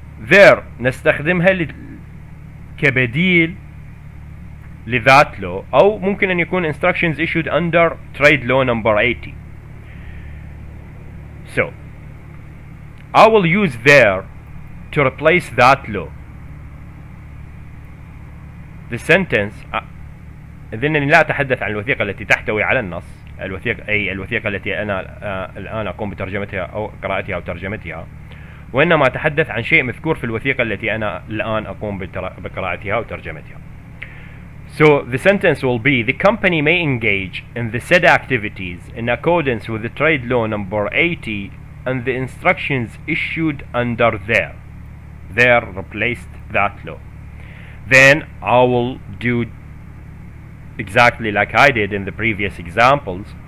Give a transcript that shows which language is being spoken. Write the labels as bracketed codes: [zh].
[en] There [ar] نستخدمها كبديل لذات [en] law [ar] أو ممكن أن يكون [en] instructions issued under trade law number 80. So I will use there to replace that law. The sentence [ar] إذنني لا أتحدث عن الوثيقة التي تحتوي على النص، الوثيقة التي أنا الآن أقوم بترجمتها أو قراءتها أو ترجمتها، وإنما أتحدث عن شيء مذكور في الوثيقة التي أنا الآن أقوم بقراءتها وترجمتها. [en] So the sentence will be, the company may engage in the said activities in accordance with the trade law number 80 and the instructions issued under there. There replaced that law. Then I will do exactly like I did in the previous examples.